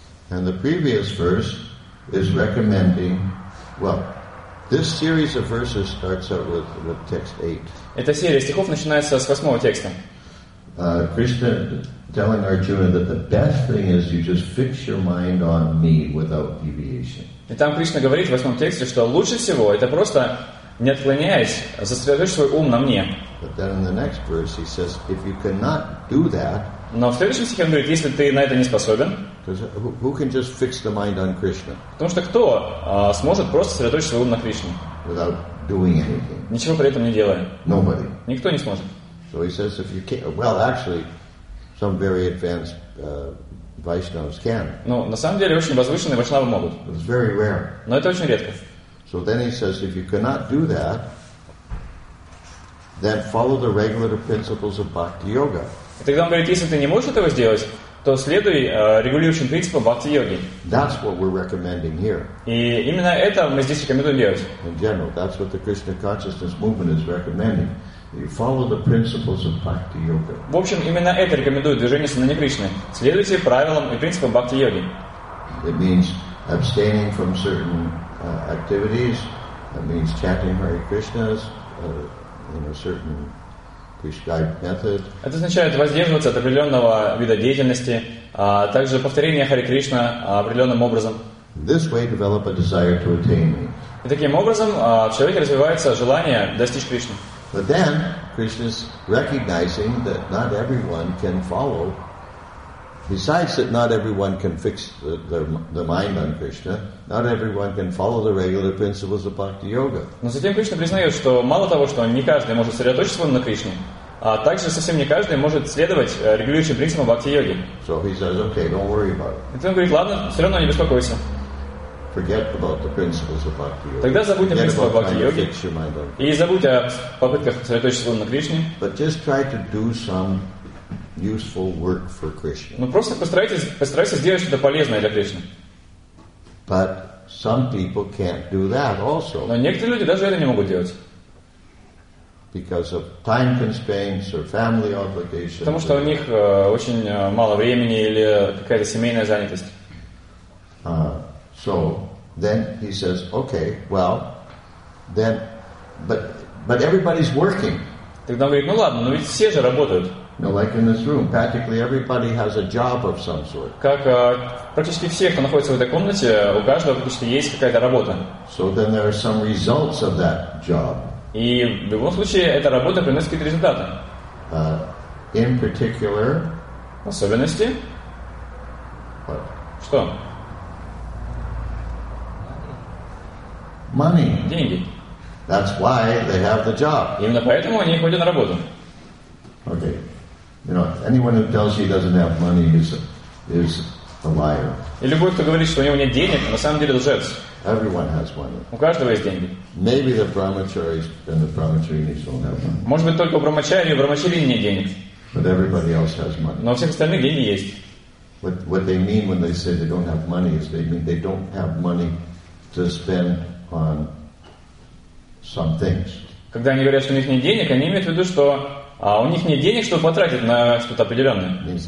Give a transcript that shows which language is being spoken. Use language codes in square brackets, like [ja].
[en] And the previous verse is recommending, well, this series of verses starts out with text 8. [ru] Эта серия стихов начинается с восьмого текста. [en] Krishna telling Arjuna that the best thing is you just fix your mind on me without deviation. [ru] И там Кришна говорит в восьмом тексте, что лучше всего это просто не отклоняясь, сосредоточь свой ум на мне. [en] But then in the next verse he says, if you cannot do that. [ru] Но в следующем стихе он говорит, если ты на это не способен. [en] Who can just fix the mind on Krishna? [ru] Потому что кто сможет просто сосредоточить свой ум на Кришне? [en] Without doing anything. [ru] Ничего при этом не делая. [en] Nobody. [ru] Никто не сможет. [en] So he says, if you can, well, actually, some very advanced Vaishnavas can. [ru] Ну, на самом деле, очень возвышенные Вайшнавы могут. [en] But it's very rare. [ru] Но это очень редко. [en] So then he says, if you cannot do that, then follow the regulative principles of bhakti yoga. [ru] И тогда он говорит, если ты не можешь этого сделать, то следуй регулирующим принципам бхакти йоги. [en] That's what we're recommending here. [ru] И именно это мы здесь рекомендуем делать. [en] In general, that's what the Krishna consciousness movement is recommending. You follow the principles of bhakti yoga. [ru] В общем, именно это рекомендует движение сознания Кришны. Следуйте правилам и принципам бхакти йоги. [en] It means abstaining from certain activities. It means chanting Hare Krishnas in a certain prescribed method. [ru] Это означает воздерживаться от определенного вида деятельности, а также повторение Хари Кришна определенным образом. [en] This way develop a desire to attain me. [ru] И таким образом в человеке развивается желание достичь Кришны. [en] But then Krishna is recognizing that not everyone can follow. Besides that, not everyone can fix the mind on Krishna. Not everyone can follow the regular principles of bhakti yoga. [ru] Но затем Кришна признает, что мало того, что не каждый может сосредоточиться на Кришне, А также совсем не каждый может следовать регулирующим принципам бхакти-йоги. [en] So he says, okay, don't worry about it. [ru] И он говорит, ладно, все равно не беспокойся. [en] Forget about the principles of bhakti-yoga. [ru] Тогда забудь о принципах бхакти-йоги. [en] Fix your mind on. [ru] И забудь о попытках сосредоточиться на Кришне. [en] But just try to do some useful work for Krishna. [ru] Ну просто постарайся сделать что-то полезное для Кришны. [en] But some people can't do that also. [ru] Но некоторые люди даже это не могут делать. [en] Because of time constraints or family obligations. [ru] Потому что у них очень мало времени или какая-то семейная занятость. [en] So then he says, okay, well, then, but everybody's working. [ru] Тогда он говорит, ну ладно, но ведь все же работают. [en] No, like in this room, practically everybody has a job of some sort. [ru] Как практически все, кто находится в этой комнате, у каждого практически есть какая-то работа. [en] So then there are some results of that job. [ru] И в любом случае эта работа приносит какие-то результаты. [en] In particular, [ru] особенности. [en] What? [ru] Что? [en] Money. [ru] Деньги. [en] That's why they have the job. [ru] Именно поэтому они ходят на работу. [en] Okay. You know, anyone who tells you he doesn't have money is a liar. [ru] И любой, кто говорит, что у него нет денег, на самом деле лжец. [en] Everyone has money. [ru] У каждого есть деньги. [en] Maybe the brahmachari and the brahmacharinis don't have money. [ru] Может быть, только у брахмачари и брахмачарини нет денег. [en] But everybody else has money. [ru] Но у всех остальных деньги есть. [en] What they mean when they say they don't have money is they mean they don't have money to spend on some things. [ru] Когда они говорят, что у них нет денег, они имеют в виду, что у них нет денег, чтобы потратить на что-то определенное.